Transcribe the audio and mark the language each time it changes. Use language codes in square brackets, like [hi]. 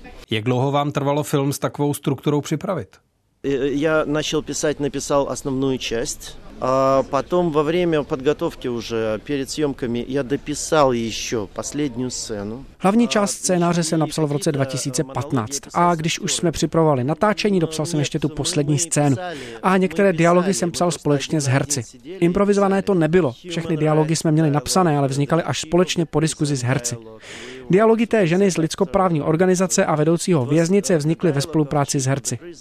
[cs] Jak dlouho vám trvalo film s takovou strukturou připravit? Já začal psát, napsal osnovnou část. A potom [ru] во время подготовки уже перед съёмками я дописал ещё последнюю сцену. [cs] Hlavní část scénáře se napsal v roce 2015. A když už jsme připravovali natáčení, dopsal jsem ještě tu poslední scénu. A některé dialogy jsem psal společně s herci. Improvizované to nebylo. Všechny dialogy jsme měli napsané, ale vznikaly až společně po diskuzi s herci. Dialogy té ženy z lidskoprávní organizace a vedoucího věznice vznikly ve spolupráci s herci.